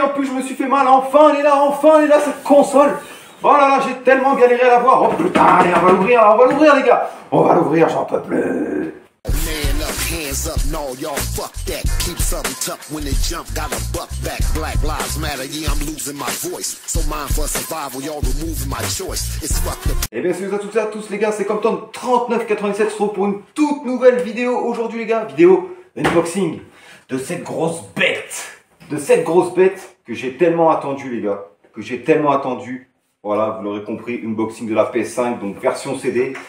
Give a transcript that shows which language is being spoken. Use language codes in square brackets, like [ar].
[fr] En plus, je me suis fait mal. Enfin, elle est là! Enfin, elle est là, cette console! Oh là là, j'ai tellement galéré à la voir! Oh putain, allez, on va l'ouvrir, on va l'ouvrir, les gars! On va l'ouvrir, j'en peux plus! [en] Hands up, no, y'all, fuck that. Keep something tough when they jump, got a buck back. Black lives matter, yeah, I'm losing my voice. So mine for survival, y'all removing my choice. It's fucked up. [fr] Eh bien, salut à toutes et à tous, les gars, c'est Compton 3987. On se retrouve pour une toute nouvelle vidéo aujourd'hui, les gars. Vidéo unboxing de cette grosse bête. De cette grosse bête que j'ai tellement attendu, les gars. Que j'ai tellement attendu. Voilà, vous l'aurez compris, unboxing de la PS5, donc version CD.